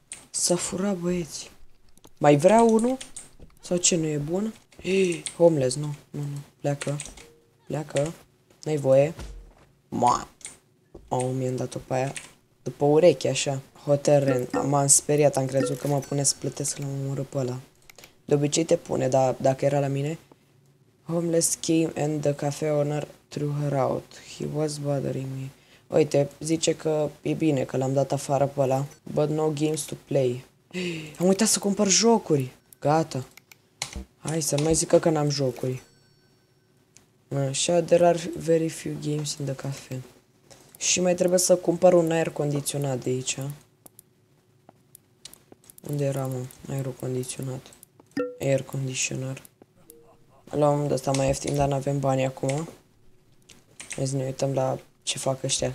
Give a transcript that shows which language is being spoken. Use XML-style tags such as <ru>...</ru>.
<ro>S-a furat, băieți. Mai vrea unul? Sau ce, nu e bun? Homeless, nu. Nu, nu. Pleacă. Pleacă. N-ai voie. Mi-am dat-o pe aia. După ureche, așa. Hotel rent. M-am speriat. Am crezut că mă pune să plătesc la mă pe ăla. De obicei te pune, dar dacă era la mine.</ro> <en>Homeless came and the cafe owner threw her out. He was bothering me.</en> <ro>Uite, zice că e bine că l-am dat afară pe ăla.</ro> <en>But no games to play.</en> <ro>Am uitat să cumpăr jocuri. Gata. Hai să mai zică că n-am jocuri.</ro> <en>Așa, there are very few games in the cafe.</en> <ro>Și mai trebuie să cumpăr un aer condiționat de aici. Unde era, mă? Aerul condiționat. Air conditioner. Luăm de ăsta mai ieftin, dar n-avem bani acum. Hai să ne uităm la... Ce fac ăștia?</ro>